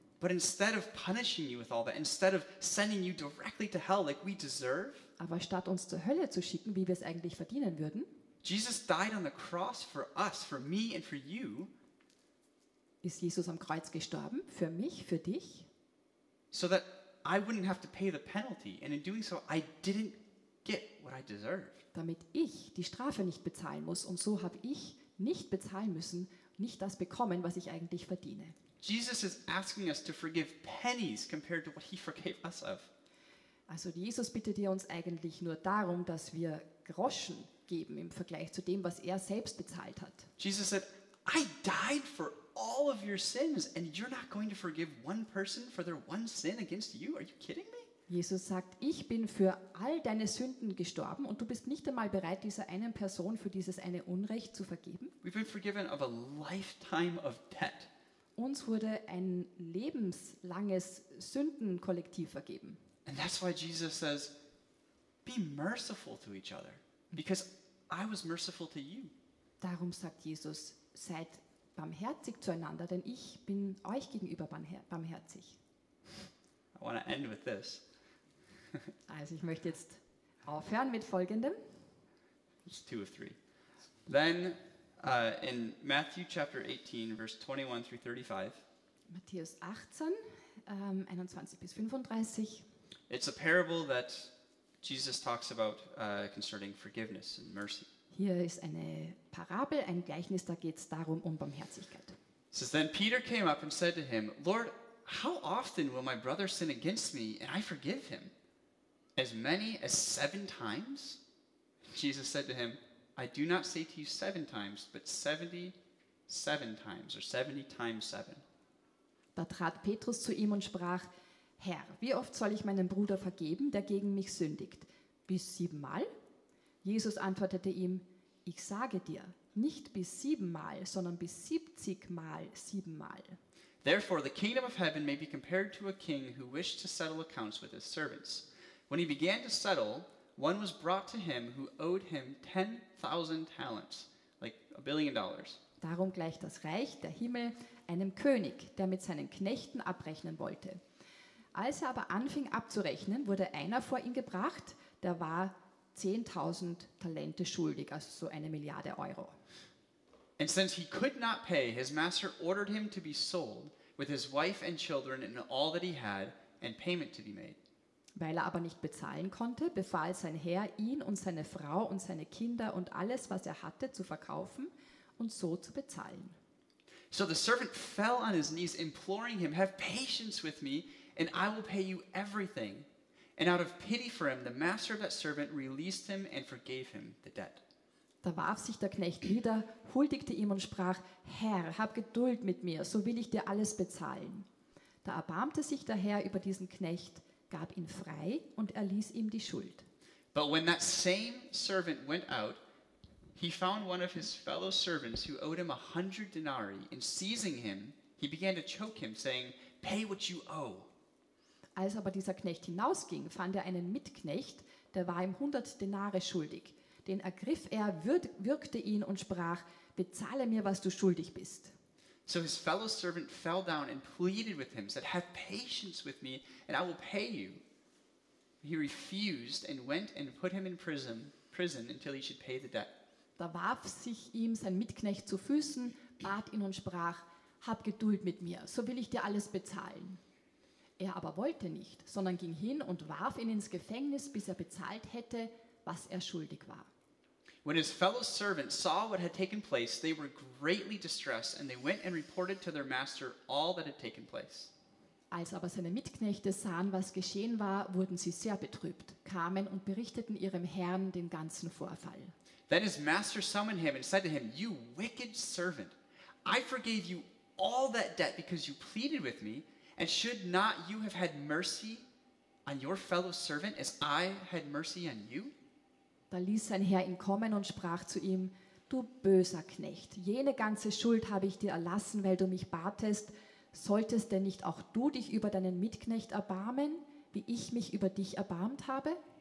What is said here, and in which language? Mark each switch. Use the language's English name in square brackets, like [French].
[English] But instead of punishing you with all that, instead of sending you directly to hell like we deserve, [German] aber statt uns zur Hölle zu schicken, wie wir es eigentlich verdienen würden, [English] Jesus died on the cross for us, for me and for you. [German] Ist Jesus am Kreuz gestorben für mich, für dich? [English] So that I wouldn't have to pay the penalty, and in doing so, I didn't get what I deserved. [German] Damit ich die Strafe nicht bezahlen muss, und so habe ich nicht bezahlen müssen, nicht das bekommen, was ich eigentlich verdiene. [English] Jesus is asking us to forgive pennies compared to what he forgave us of. [German] Also Jesus bittet ihr uns eigentlich nur darum, dass wir Groschen geben im Vergleich zu dem, was er selbst bezahlt hat. [English] Jesus said, I died for all of your sins and you're not going to forgive one person for their one sin against you? Are you kidding me? [German] Jesus sagt, ich bin für all deine Sünden gestorben und du bist nicht einmal bereit, dieser einen Person für dieses eine Unrecht zu vergeben? [English] We've been forgiven of a lifetime of debt. [German] Uns wurde ein lebenslanges Sündenkollektiv vergeben. [English] And that's why Jesus says, be merciful to each other, because I was merciful to you. [German] Darum sagt Jesus, seid barmherzig zueinander, denn ich bin euch gegenüber barmherzig. [English] I want to end with this. [German] Also ich möchte jetzt aufhören mit Folgendem. [English] It's two of three. Then in Matthew chapter 18, verse 21 through 35. [German] Matthäus 18, 21 bis 35. [English] It's a parable that Jesus talks about concerning forgiveness and mercy. [German] Hier ist eine Parabel, ein Gleichnis, da geht es darum um Barmherzigkeit. [English] It says, then Peter came up and said to him, Lord, how often will my brother sin against me and I forgive him? As many as seven times? Jesus said to him, I do not say to you seven times, but 77 times, or 70 times seven. [German] Da trat Petrus zu ihm und sprach, Herr, wie oft soll ich meinem Bruder vergeben, der gegen mich sündigt? Bis siebenmal? Jesus antwortete ihm, ich sage dir, nicht bis siebenmal, sondern bis 70-mal siebenmal. [English] Therefore the kingdom of heaven may be compared to a king who wished to settle accounts with his servants. When he began to settle, one was brought to him who owed him 10,000 talents, like $1 billion. [German] Darum gleicht das Reich der Himmel einem König, der mit seinen Knechten abrechnen wollte. Als er aber anfing abzurechnen, wurde einer vor ihn gebracht, der war 10.000 Talente schuldig, also so 1 Milliarde Euro. [English] And since he could not pay, his master ordered him to be sold with his wife and children and all that he had and payment to be made. [German] Weil er aber nicht bezahlen konnte, befahl sein Herr, ihn und seine Frau und seine Kinder und alles, was er hatte, zu verkaufen und so zu bezahlen. [English] So the servant fell on his knees, imploring him, have patience with me, and I will pay you everything. And out of pity for him, the master of that servant released him and forgave him the debt. [German] Da warf sich der Knecht nieder, huldigte ihm und sprach, Herr, hab Geduld mit mir, so will ich dir alles bezahlen. Da erbarmte sich der Herr über diesen Knecht, gab ihn frei und erließ ihm die Schuld. [English] But when that same servant went out, he found one of his fellow servants who owed him 100 denarii, and seizing him, he began to choke him, saying, pay what you owe. [German] Als aber dieser Knecht hinausging, fand er einen Mitknecht, der war ihm 100 denare schuldig. Den ergriff er, würgte ihn und sprach, bezahle mir, was du schuldig bist. [English] So his fellow servant fell down and pleaded with him, said, have patience with me, and I will pay you. He refused and went and put him in prison until he should pay the debt. [German] Da warf sich ihm sein Mitknecht zu Füßen, bat ihn und sprach, hab Geduld mit mir, so will ich dir alles bezahlen. Er aber wollte nicht, sondern ging hin und warf ihn ins Gefängnis, bis er bezahlt hätte, was er schuldig war. [English] When his fellow servants saw what had taken place, they were greatly distressed, and they went and reported to their master all that had taken place. [German] Als aber seine Mitknechte sahen, was geschehen war, wurden sie sehr betrübt, kamen und berichteten ihrem Herrn den ganzen Vorfall. [English] Then his master summoned him and said to him, you wicked servant, I forgave you all that debt because you pleaded with me, and should not you have had mercy on your fellow servant as I had mercy on you? [German] Da ließ sein Herr ihn kommen und sprach zu ihm, du böser Knecht, jene ganze Schuld habe ich dir erlassen, weil du mich batest. Solltest denn nicht auch du dich über deinen Mitknecht erbarmen, wie ich mich über dich erbarmt habe?